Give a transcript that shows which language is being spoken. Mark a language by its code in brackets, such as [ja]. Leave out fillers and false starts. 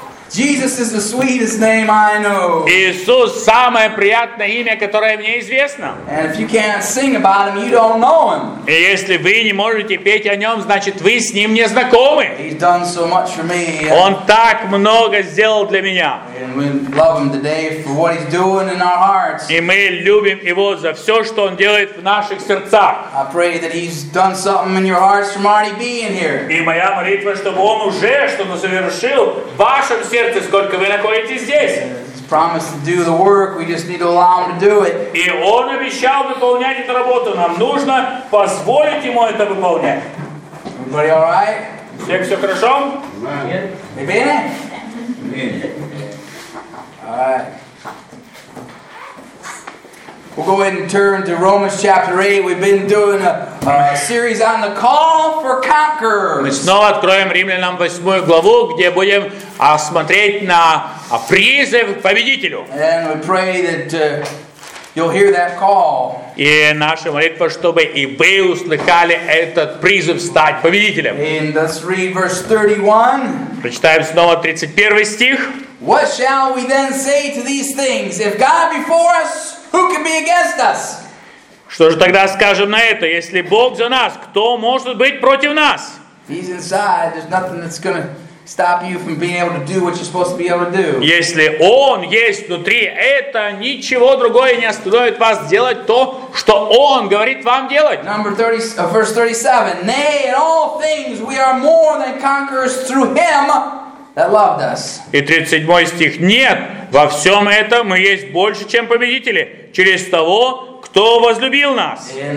[en] Jesus is the sweetest name I know. [ru] Иисус самое приятное имя, которое мне известно. [en] And if you can't sing about him, you don't know him. [ru] И если вы не можете петь о нем, значит вы с ним не знакомы. [en] He's done so much for me. [ru] Он так много сделал для меня. [en] And we love him today for what he's doing in our hearts. [ru] И мы любим его за все, что он делает в наших сердцах. [en] I pray that he's done something in your hearts from already being here. [ru] И моя молитва, чтобы он уже что-то совершил в вашем сердце, сколько вы находитесь здесь. [en] Promise to do the work, we just need to allow him to do it. [ru] И он обещал выполнять эту работу. Нам нужно позволить ему это выполнять. [en] Everybody all right? [ru] Всех все хорошо? [en] Amen. Amen. Amen. All right. We'll go ahead and turn to Romans chapter 8. We've been doing a series on the call for conquerors. [ru] Мы снова откроем Римлянам 8 главу, где будем осмотреть на призыв к победителю. [en] And we pray that you'll hear that call. [ru] И наша молитва, чтобы и вы услыхали этот призыв стать победителем. [en] And let's read verse 31. [ru] Прочитаем снова 31 стих. [en] What shall we then say to these things? If God be for us, who can be against us? [ru] Что же тогда скажем на это? Если Бог за нас, кто может быть против нас? [en] He's inside, there's nothing that's gonna stop you from being able to do what you're supposed to be able to do. [ru] Если Он есть внутри, это ничего другое не остановит вас делать то, что Он говорит вам делать. [en] Number 30, verse 37. Nay, in all things we are more than conquerors through Him that loved us. [ru] И 37 стих. Нет, во всем этом мы есть больше, чем победители, через того, кто возлюбил нас.